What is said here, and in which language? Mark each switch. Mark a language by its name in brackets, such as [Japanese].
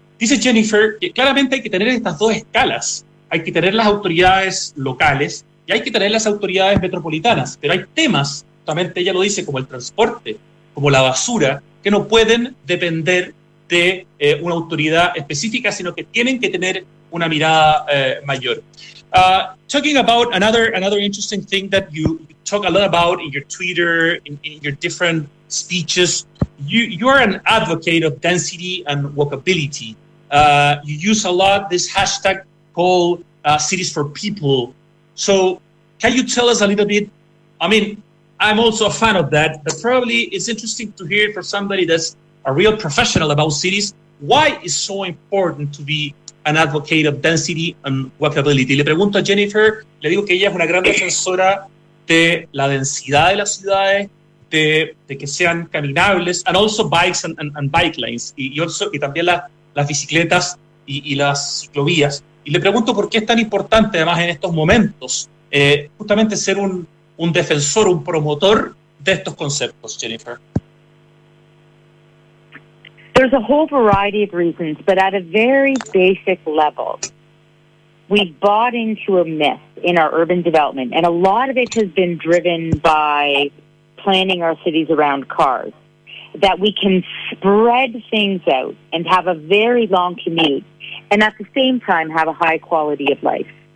[Spanish] Dice Jennifer que claramente hay que tener estas dos escalas. Hay que tener las autoridades locales y hay que tener las autoridades metropolitanas. Pero hay temas, justamente ella lo dice, como el transporte, como la basura, que no pueden depender de una autoridad específica, sino que tienen que tener una mirada mayor. [English] Talking about another interesting thing that you talk a lot about in your Twitter, in your different speeches, you are an advocate of density and walkability. You use a lot this hashtag called Cities for People. So can you tell us a little bit? I mean, I'm also a fan of that, but probably it's interesting to hear for somebody that's a real professional about cities, why is so important to be an advocate of density and walkability? [Spanish] Le pregunto a Jennifer, le digo que ella es una gran defensora de la densidad de las ciudades, de que sean caminables, [English] and also bikes and bike lanes, [Spanish] y también las bicicletas y las ciclovías. Y le pregunto por qué es tan importante, además, en estos momentos, justamente ser un defensor, un promotor de estos conceptos, Jennifer. [English] There's a whole variety of reasons, but at a very basic level, we've bought into a myth in our urban development, and a lot of it has been driven by planning our cities around cars, that we can spread things out and have a very long commute, and at the same time have a high quality of life.